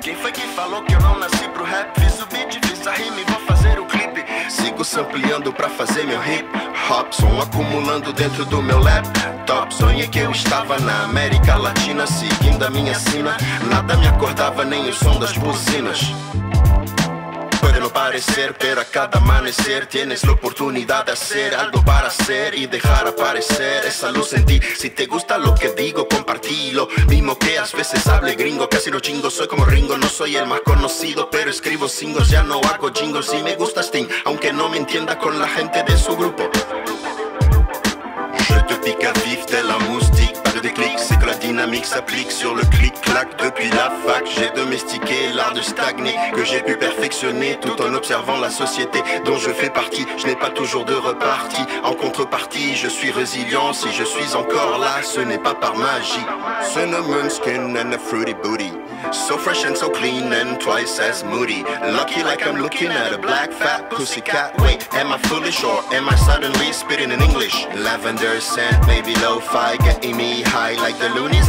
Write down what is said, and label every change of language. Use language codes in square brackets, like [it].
[pt] Quem foi que falou que eu não nasci pro rap? Fiz o beat, fiz a rima e vou fazer o clipe. Sigo sampleando pra fazer meu hip hop, som acumulando dentro do meu laptop. Sonhei que eu estava na América Latina, seguindo a minha sina. Nada me acordava, nem o som das buzinas. [es] No parecer, pero a cada amanecer tienes la oportunidad de hacer algo para ser y dejar aparecer esa luz en ti. Si te gusta lo que digo, compartilo. Mismo que a veces hable gringo, casi no chingo. Soy como Ringo, no soy el más conocido, pero escribo singles, ya no hago jingles. Y me gusta Sting, aunque no me entienda con la gente de su grupo. [fr] Je te pique à vif de la moustique. Pas de déclic, c'est que la dynamique s'applique sur le clic-clac. Depuis la fac, j'ai domestiqué l'art de stagner, que j'ai pu perfectionner tout en observant la société dont je fais partie. Je n'ai pas toujours de repartie. En contrepartie, je suis résilient. Si je suis encore là, ce n'est pas par magie. [en] Cinnamon skin and a fruity booty, so fresh and so clean and twice as moody. Lucky like I'm looking at a black fat pussycat. Wait, am I foolish or am I suddenly spitting in English? Lavender scent, maybe lo-fi, getting me high like the loonies.